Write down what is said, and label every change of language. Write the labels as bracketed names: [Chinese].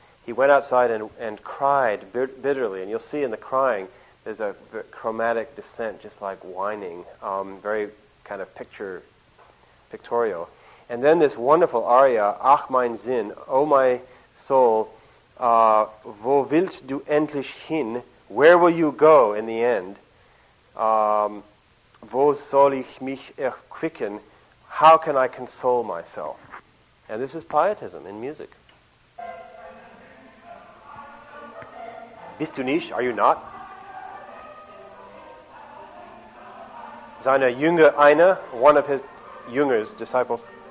[English] He went outside and cried bitterly. And you'll see in the crying, there's a chromatic descent, just like whining, very kind of pictorial. And then this wonderful aria, [German] Ach mein Sinn, [English] O my soul, [German] wo willst du endlich hin? [English] Where will you go in the end? [German] Wo soll ich mich erquicken? [English] How can I console myself? And this is Pietism in music. [German] Bist du nicht? [English] Are you not? [German] Seine Jünger, [English] one of his Jünger's disciples.